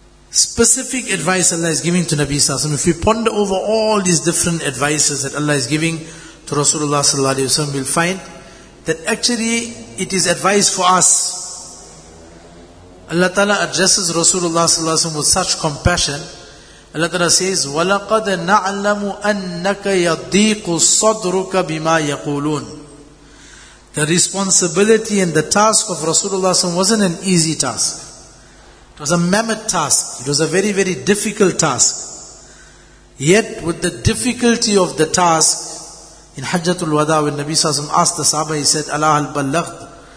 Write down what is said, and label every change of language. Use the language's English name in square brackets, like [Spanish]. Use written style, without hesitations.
[English] Specific advice Allah is giving to Nabi Sallallahu Alaihi Wasallam. If we ponder over all these different advices that Allah is giving to Rasulullah Sallallahu Alaihi Wasallam, we'll find that actually it is advice for us. Allah Ta'ala addresses Rasulullah Sallallahu Alaihi Wasallam with such compassion. Allah Ta'ala says, [Arabic] وَلَقَدْ نَعْلَمُ أَنَّكَ يَضِيقُ صَدْرُكَ بِمَا يَقُولُونَ. [English] The responsibility and the task of Rasulullah Sallallahu Alaihi Wasallam wasn't an easy task. It was a mammoth task. It was a very, very difficult task. Yet, with the difficulty of the task, in Hajjatul Wada, when Nabi Sallallahu Alaihi Wasallam asked the Sahaba, he said, [Arabic] أَلَا هَلْ بَلَّغْتُ.